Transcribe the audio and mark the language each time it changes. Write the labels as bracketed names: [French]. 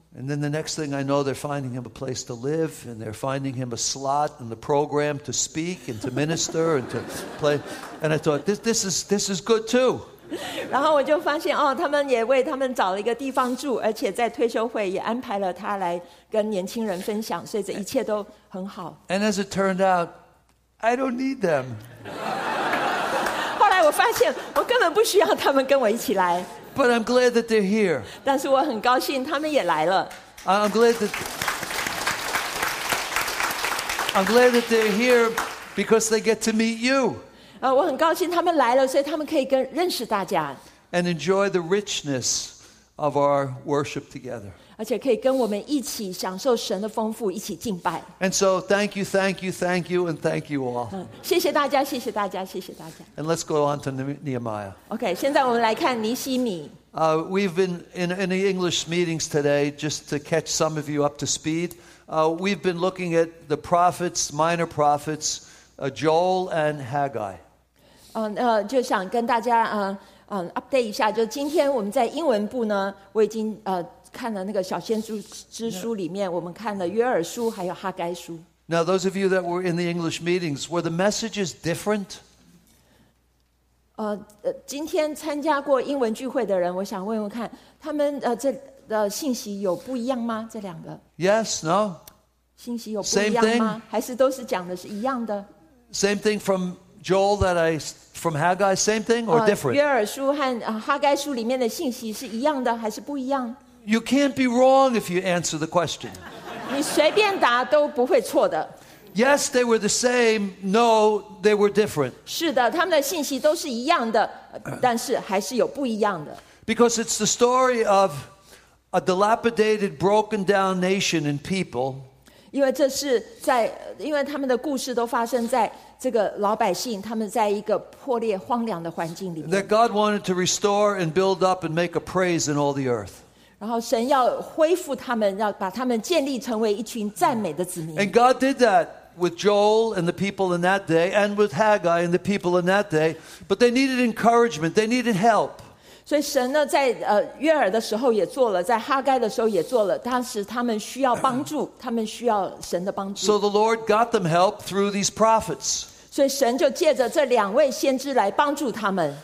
[English] And then the next thing I know, they're finding him a place to live, and they're finding him a slot in the program to speak and to minister and to play. And I thought, this is good too. [Chinese] 然后我就发现哦，他们也为他们找了一个地方住，而且在退休会也安排了他来跟年轻人分享，所以这一切都很好。 [English] And as it turned out, I don't need them. [Chinese] 后来我发现我根本不需要他们跟我一起来。 [English] But I'm glad that they're here. [Chinese] 但是我很高兴他们也来了。 [English] I'm glad that they're here because they get to meet you. [Chinese] 我很高兴他们来了，所以他们可以跟认识大家。 [English] And enjoy the richness of our worship together. [Chinese] 而且可以跟我们一起享受神的丰富，一起敬拜。 [English] And so, thank you, thank you, thank you, and thank you all. [Chinese] 谢谢大家，谢谢大家，谢谢大家。 [English] And let's go on to Nehemiah. [Chinese] Okay, 现在我们来看尼希米。 [English] We've been in the English meetings today, just to catch some of you up to speed. We've been looking at the prophets, minor prophets. Joel and Haggai. [Chinese] 就想跟大家update 一下，就今天我们在英文部呢，我已经看了那个小先知之书里面，我们看了约珥书还有哈该书。 [English] Now those of you that were in the English meetings, were the messages different? [Chinese] 今天参加过英文聚会的人，我想问问看，他们这的信息有不一样吗？这两个 [English] ？Yes, no. [Chinese] 信息有不一样吗？还是都是讲的是一样的？ [English] Same thing from Joel that I from Haggai. Same thing or different? [Chinese] 约珥书和哈该书里面的信息是一样的还是不一样 [English] ？You can't be wrong if you answer the question. [Chinese] 你随便答都不会错的。 [English] Yes, they were the same. No, they were different. [Chinese] 是的，他们的信息都是一样的，但是还是有不一样的。 [English] Because it's the story of a dilapidated, broken-down nation and people. [Chinese] 因为这是在，因为他们的故事都发生在这个老百姓，他们在一个破裂荒凉的环境里面。 [English] That God wanted to restore and build up and make a praise in all the earth. [Chinese] 然后神要恢复他们，要把他们建立成为一群赞美的子民。 [English] And God did that with Joel and the people in that day, and with Haggai and the people in that day. But they needed encouragement. They needed help. [Chinese] 所以神呢，在约珥的时候也做了，在哈该的时候也做了。当时他们需要帮助，他们需要神的帮助。 So the Lord got them help through these prophets. 所以神就借着这两位先知来帮助他们。